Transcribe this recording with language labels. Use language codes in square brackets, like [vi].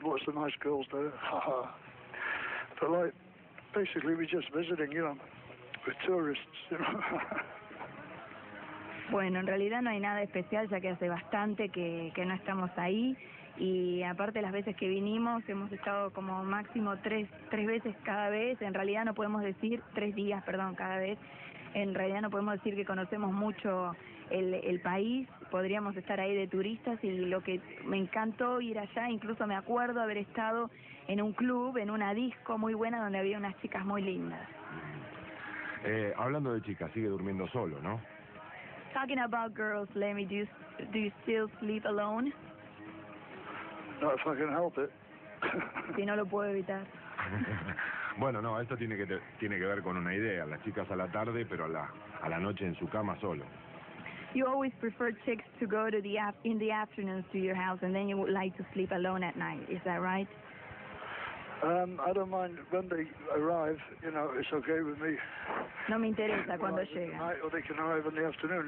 [en] Lots of nice girls there, haha. But like, basically we're just visiting, you know, we're tourists, you know. [es] Bueno, en realidad no hay nada especial, ya que hace bastante que no estamos ahí. Y aparte las veces que vinimos, hemos estado como máximo tres veces cada vez, en realidad no podemos decir, 3 días, perdón, cada vez, en realidad no podemos decir que conocemos mucho el país, podríamos estar ahí de turistas, y lo que me encantó ir allá, incluso me acuerdo haber estado en un club, en una disco muy buena, donde había unas chicas muy lindas. Hablando de chicas, sigue durmiendo solo, ¿no? [en] Talking about girls, Lemmy, do you still sleep alone? Not if I can help it. [es] Si no lo puedo evitar. Bueno, no, esto tiene que ver con una idea. Las chicas a la tarde, pero a la noche en su cama solo. [en] You always prefer chicks to go to the in the afternoons to your house, and then you would like to sleep alone at night. Is that right? I don't mind when they arrive. You know, it's okay with me. [es] No me interesa cuando llegan. [en] Night, or they can arrive in the afternoon.